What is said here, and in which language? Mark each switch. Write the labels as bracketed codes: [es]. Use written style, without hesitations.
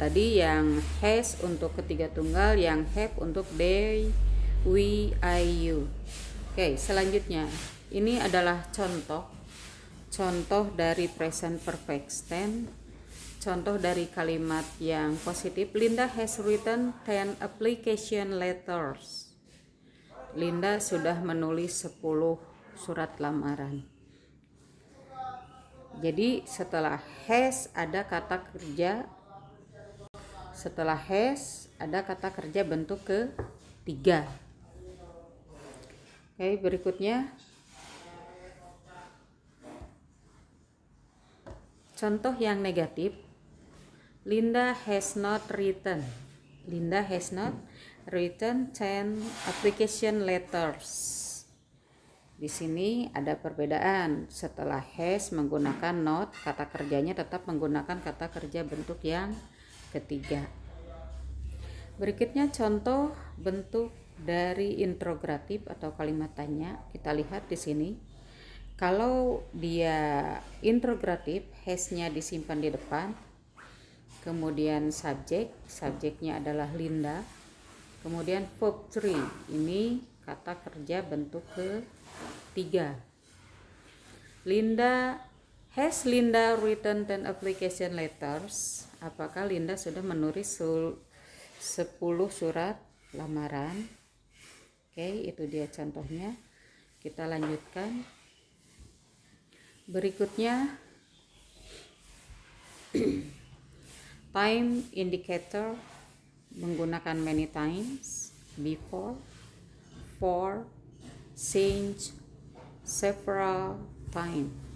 [id] Tadi yang has untuk ketiga tunggal, yang have untuk they, we, I, you. Oke, selanjutnya ini adalah contoh, contoh dari present perfect tense, contoh dari kalimat yang positif. [en] Linda has written 10 application letters. [id] Linda sudah menulis 10 surat lamaran. Jadi setelah has ada kata kerja, setelah has ada kata kerja bentuk ketiga. Oke, berikutnya contoh yang negatif. [en] Linda has not written. Linda has not written 10 application letters. [id] Di sini ada perbedaan. Setelah has menggunakan not, kata kerjanya tetap menggunakan kata kerja bentuk yang ketiga. Berikutnya contoh bentuk dari interrogatif atau kalimat tanya. Kita lihat di sini. Kalau dia interrogatif, has-nya disimpan di depan. Kemudian subjek, subjeknya adalah Linda. Kemudian verb 3, ini kata kerja bentuk ke 3. [en] Linda, has Linda written 10 application letters? [id] Apakah Linda sudah menulis 10 surat lamaran? Oke, itu dia contohnya. Kita lanjutkan. Berikutnya, time indicator menggunakan many times, before, for, since, several time.